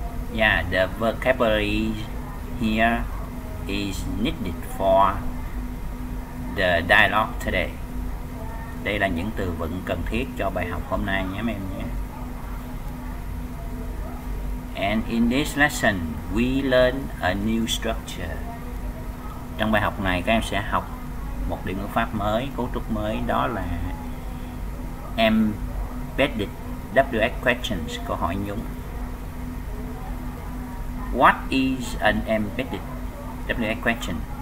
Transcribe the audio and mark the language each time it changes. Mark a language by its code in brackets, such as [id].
[en] Yeah, the vocabulary here is needed for the dialogue today. [vi] Đây là những từ vựng cần thiết cho bài học hôm nay nhé em nhé. [en] And in this lesson, we learn a new structure. [vi] Trong bài học này, các em sẽ học một điểm ngữ pháp mới, cấu trúc mới, đó là embedded WH questions, câu hỏi nhúng. [en] What is an embedded WH question?